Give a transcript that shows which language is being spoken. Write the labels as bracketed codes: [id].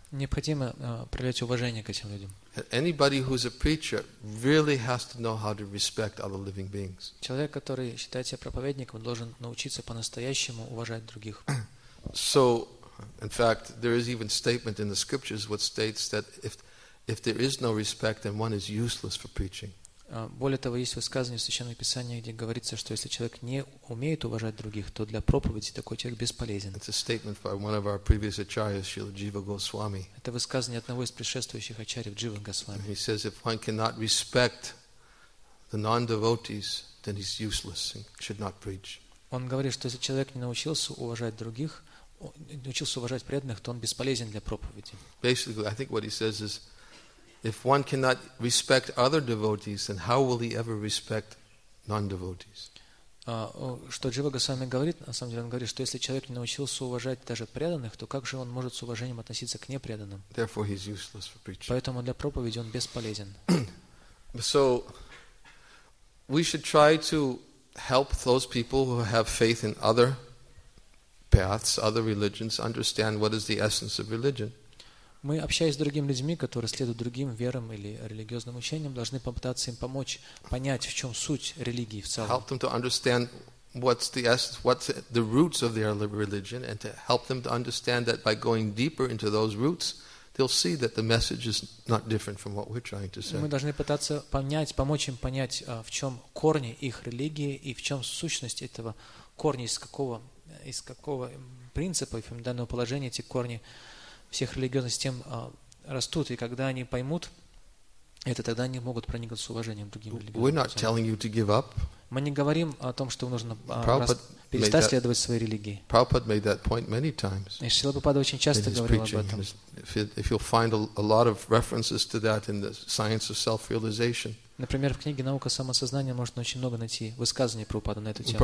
[ru] Необходимо проявлять уважение к этим людям. [en] Anybody who's a preacher really has to know how to respect other living beings. [ru] Человек, который считает себя проповедником, должен научиться по-настоящему уважать других. [en] So, in fact, there is even statement in the scriptures which states that if there is no respect, then one is useless for preaching. [ru] Более того, есть высказывание в Священном Писании, где говорится, что если человек не умеет уважать других, то для проповеди такой человек бесполезен. [en] It's a statement by one of our previous acharyas, Srila Jiva Goswami. [ru] Это высказывание одного из предшествующих ачарьев Джива Госвами. [en] He says, if one cannot respect the non-devotees, then he's useless and should not preach. [ru] Он говорит, что если человек не научился уважать других, не научился уважать преданных, то он бесполезен для проповеди. [en] Basically, I think what he says is, if one cannot respect other devotees, then how will he ever respect non-devotees? [ru] Что Джива Госвами говорит, на самом деле он говорит, что если человек не научился уважать даже преданных, то как же он может с уважением относиться к непреданным? [en] Therefore, he's useless for preaching. [ru] Поэтому для проповеди он бесполезен. [en] So, we should try to help those people who have faith in other paths, other religions, understand what is the essence of religion. [ru] Мы, общаясь с другими людьми, которые следуют другим верам или религиозным учениям, должны попытаться им помочь понять, в чем суть религии в целом. [en] Help them to understand what's the roots of their religion, and to help them to understand that by going deeper into those roots, they'll see that the message is not different from what we're trying to say. [ru] Мы должны пытаться понять, помочь им понять, в чем корни их религии и в чем сущность этого корня, из какого принципа и фундаментального положения эти корни всех религиозных систем растут. И когда они поймут это, тогда они могут проникнуть с уважением к другим религиозным. [en] We're not telling you to give up. [ru] Мы не говорим о том, что нужно перестать следовать своей религии. [en] Prabhupada made that point many times. [ru] И Шрила Прабхупада очень часто говорил об этом. [en] If you'll find a lot of references to that in the Science of Self-Realization. [ru] Например, в книге «Наука самосознания» можно очень много найти высказаний Прабхупады на эту тему.